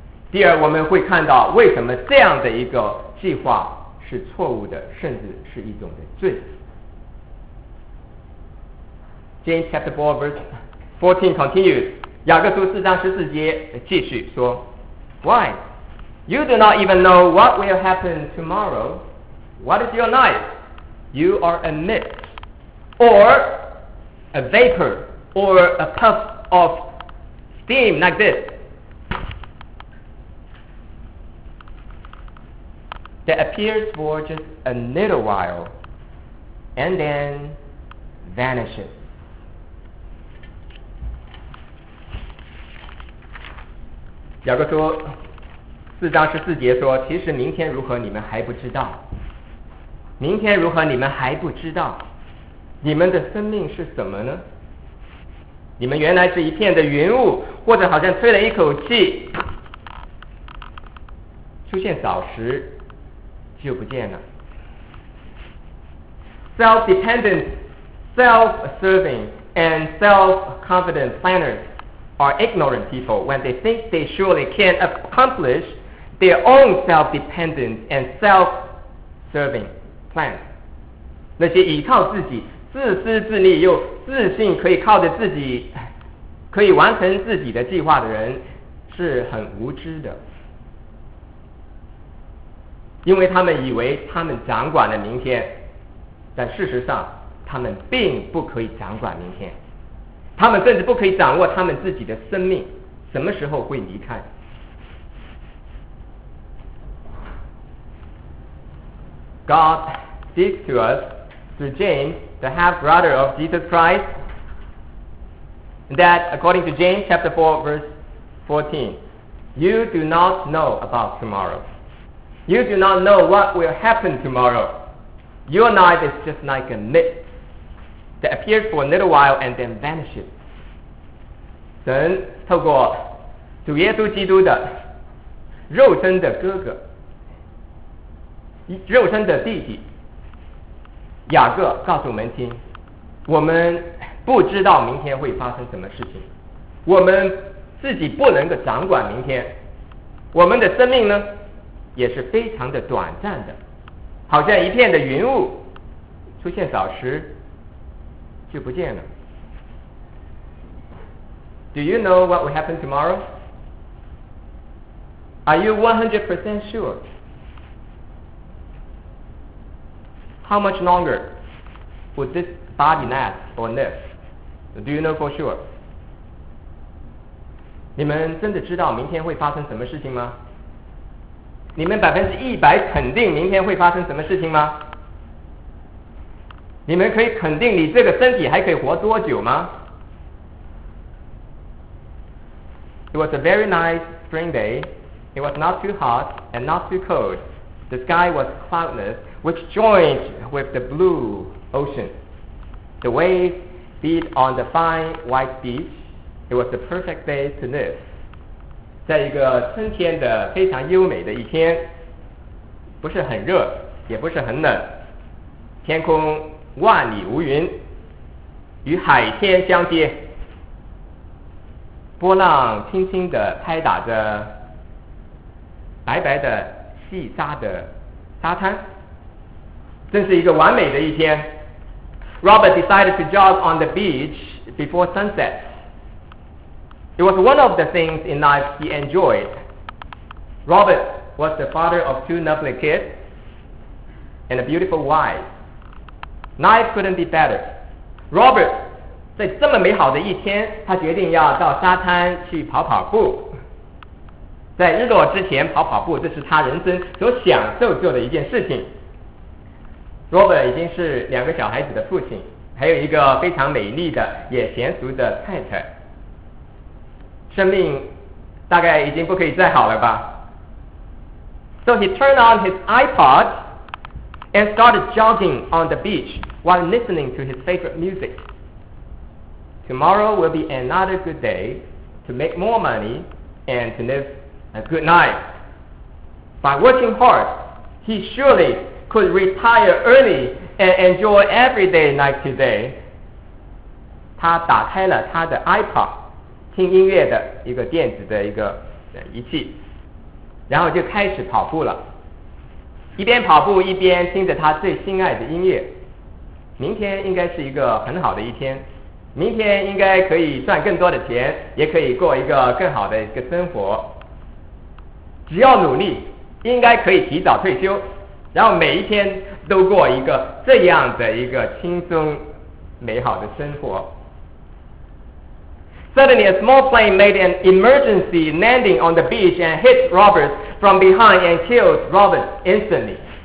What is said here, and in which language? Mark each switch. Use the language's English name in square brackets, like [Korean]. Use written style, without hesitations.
[Chinese] 第二，我们会看到为什么这样的一个计划是错误的，甚至是一种的罪。 [English] James chapter 4 verse 14 continues. [Chinese] 雅各书四章十四节继续说 [English] ，Why? You do not even know what will happen tomorrow. What is your life? You are a mist, or a vapor, or a puff of steam like this. that appears for just a little while and then vanishes. [Chinese] 雅各书 4章14节 说，其实明天如何你们还不知道，明天如何你们还不知道，你们的生命是什么呢？你们原来是一片的云雾，或者好像吹了一口气，出现早时就不见了。 [English] Self-dependent, self-serving and self-confident plannersare ignorant people when they think they surely can accomplish their own self-dependent and self-serving plans. [Chinese] 那些依靠自己、自私自利又自信可以靠着自己可以完成自己的计划的人是很无知的，因为他们以为他们掌管了明天，但事实上他们并不可以掌管明天，他们甚至不可以掌握他们自己的生命什么时候会离开。 [English] God speaks to us through James, the half-brother of Jesus Christ, that according to James chapter 4 verse 14, you do not know about tomorrow. You do not know what will happen tomorrow. Your life is just like a mist that appears for a little while and then vanishes. [Chinese] 神透过主耶稣基督的肉身的哥哥、肉身的弟弟雅各告诉我们听，我们不知道明天会发生什么事情，我们自己不能够掌管明天，我们的生命呢也是非常的短暂的，好像一片的云雾，出现早时就不见了。 [English] Do you know what will happen tomorrow? Are you 100% sure? How much longer would this body last or live? Do you know for sure? [Chinese] 你们真的知道明天会发生什么事情吗？你们100%肯定明天会发生什么事情吗？你们可以肯定你这个身体还可以活多久吗？ [English] It was a very nice spring day. It was not too hot and not too cold. The sky was cloudless, which joined with the blue ocean. The waves beat on the fine white beach. It was the perfect day to live. [Chinese] 在一个春天的非常优美的一天，不是很热，也不是很冷，天空万里无云，与海天相接。波浪轻轻地拍打着白白的细沙的沙滩，真是一个完美的一天。 [English] Robert decided to jog on the beach before sunset. It was one of the things in life he enjoyed. Robert was the father of two lovely kids and a beautiful wife. Life couldn't be better. Robert [Chinese] 在这么美好的一天，他决定要到沙滩去跑跑步，在日落之前跑跑步，这是他人生所享受做的一件事情。 Robert 已经是两个小孩子的父亲，还有一个非常美丽的也娴熟的太太，生命大概已经不可以再好了吧。 [English] So he turned on his iPod and started jogging on the beach while listening to his favorite musictomorrow will be another good day to make more money and to live a good life. By working hard, he surely could retire early and enjoy every day like today. [Chinese] 他打开了他的 iPod, 听音乐的一个电子的一个仪器，然后就开始跑步了。一边跑步一边听着他最心爱的音乐。明天应该是一个很好的一天。明天应该可以赚更多的钱，也可以过一个更好的一个生活。只要努力，应该可以提早退休，然后每一天都过一个这样的一个轻松美好的生活。 [English] Suddenly, a small plane made an emergency landing on the beach and hit Robert from behind and killed Robert instantly.